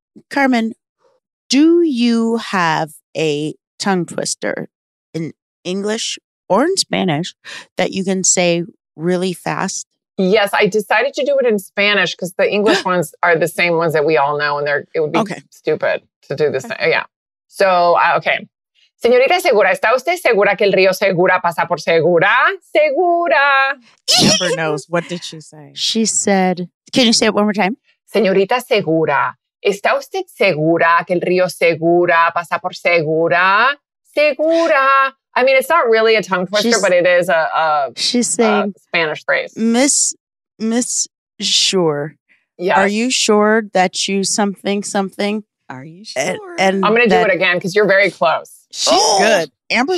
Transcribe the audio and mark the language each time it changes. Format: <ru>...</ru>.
<en>Carmen, do you have a tongue twister in English or in Spanish that you can say really fast? Yes, I decided to do it in Spanish because the English ones are the same ones that we all know, and it would be stupid to do this. Okay. Yeah. So, okay.</en> <es>Señorita Segura, ¿está usted segura que el río Segura pasa por Segura? Segura.</es> <en>Never knows. What did she say? She said, can you say it one more time?</en> <es>Señorita Segura, ¿está usted segura que el río Segura pasa por Segura? Segura.</es> <en>I mean, it's not really a tongue twister, but it is a Spanish phrase. Miss Sure. Yes. Are you sure that you something something? Are you sure? And I'm going to do it again because you're very close. She's good. Amber's</en>